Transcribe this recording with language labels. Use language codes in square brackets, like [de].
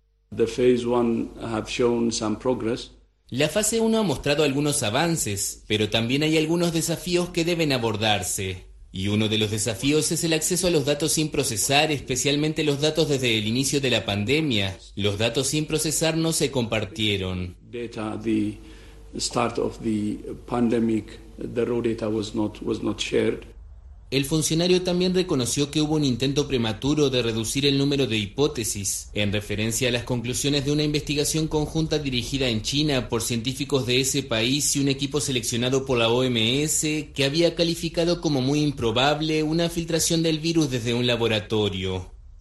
[en] The phase one have shown some progress. [es] La fase 1 ha mostrado algunos avances, pero también hay algunos desafíos que deben abordarse. Y uno de los desafíos es el acceso a los datos sin procesar, especialmente los datos desde el inicio de la pandemia. Los datos sin procesar no se compartieron. [en] Data, the start of the pandemic, the raw data was not shared. [es] El funcionario también reconoció que hubo un intento prematuro de reducir el número de hipótesis, en referencia a las conclusiones de una investigación conjunta dirigida en China por científicos de ese país y un equipo seleccionado por la OMS, que había calificado como muy improbable una filtración del virus desde un laboratorio.